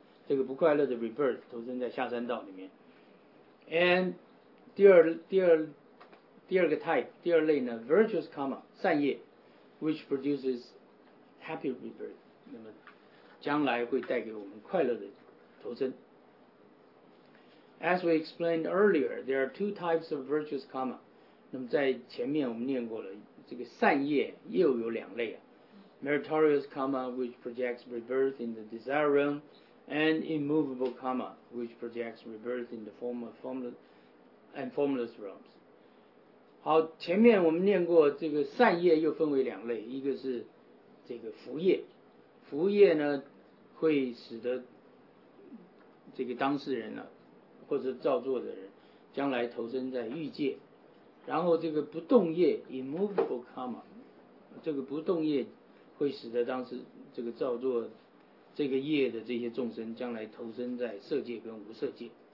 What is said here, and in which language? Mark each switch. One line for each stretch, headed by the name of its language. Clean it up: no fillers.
Chinese: 这个不快乐的 rebirth 投生在下三道里面。And 第二类呢 ，virtuous karma 善业 ，
English: which produces happy rebirth。
Chinese: 那么将来会带给我们快乐的投生。
English: As we explained earlier, there are two types of virtuous karma.
Chinese: 那么在前面我们念过了，这个善业又有两类啊。
English: Meritorious karma, which projects rebirth in the desire realm, and immovable karma, which projects rebirth in the form of formless realms.
Chinese: 好，前面我们念过这个善业又分为两类，一个是这个福业。福业呢，会使得这个当事人呢、啊，或者造作的人，将来投身在欲界。然后这个不动业 （immovable karma） 这个不动业会使得当时这个造作这个业的这些众生，将来投身在色界跟无色界。